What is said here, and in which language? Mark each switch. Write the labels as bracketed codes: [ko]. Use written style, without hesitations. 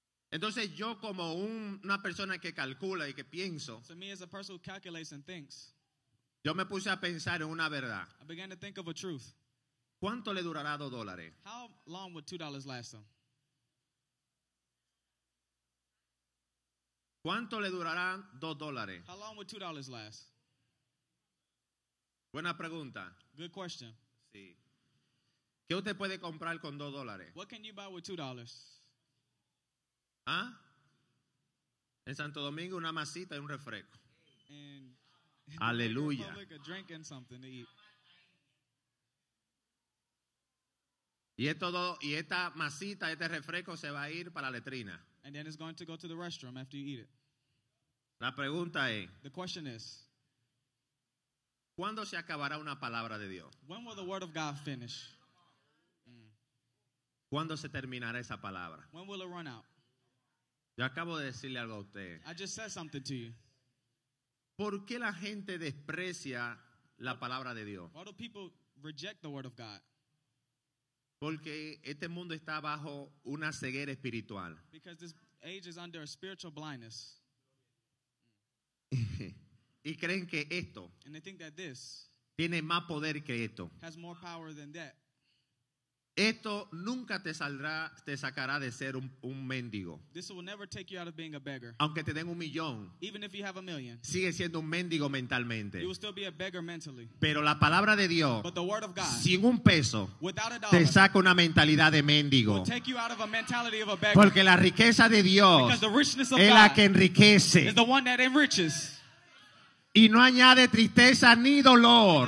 [es] Entonces yo como una persona que calcula y que pienso, [en] so me as a person who calculates and thinks, [es] yo me puse a pensar en una verdad. [en] I began to think of a truth. [es] ¿Cuánto le durará $2? [en] How long would $2 last them? [es] ¿Cuánto le durará $2? [en] How long would $2 last? [es] Buena pregunta. [en] Good question. [es] Sí. ¿Qué usted puede comprar con $2? [en] What can you buy with $2? ¿Ah? [es] En Santo Domingo una masita y un refresco. [en] And [es] aleluya. [en] Like a drink and something to eat. [es] Y esto todo, y esta masita, este refresco se va a ir para la letrina. [en] And then it's going to go to the restroom after you eat it. [es] La pregunta es, [en] the question is, [es] ¿cuándo se acabará una palabra de Dios? [en] When will the word of God finish? [es] ¿Cuándo se terminará esa palabra? [en] When will it run out? [es] Yo acabo de decirle algo a usted. [en] I just said something to you. [es] ¿Por qué la gente desprecia la palabra de Dios? [en] Why do people reject the word of God? [es] Porque este mundo está bajo una ceguera espiritual. [en] Because this age is under a spiritual blindness. [es] Y creen que esto, [en] and they think that this, [es] tiene más poder que esto, [en] has more power than that. [es] Esto nunca te saldrá, te sacará de ser un mendigo. [en] This will never take you out of being a beggar. [es] Aunque te den un millón, [en] even if you have a million, [es] sigue siendo un mendigo mentalmente. [en] You will still be a beggar mentally. [es] Pero la palabra de Dios, [en] but the word of God, [es] sin un peso, [en] without a dollar, [es] te saca una mentalidad de mendigo. [en] Will take you out of a mentality of a beggar. [es] Porque la riqueza de Dios, [en] because the richness of [es] es la [en] God [es] que enriquece, [en] is the one that enriches. [es] Y no añade tristeza ni dolor.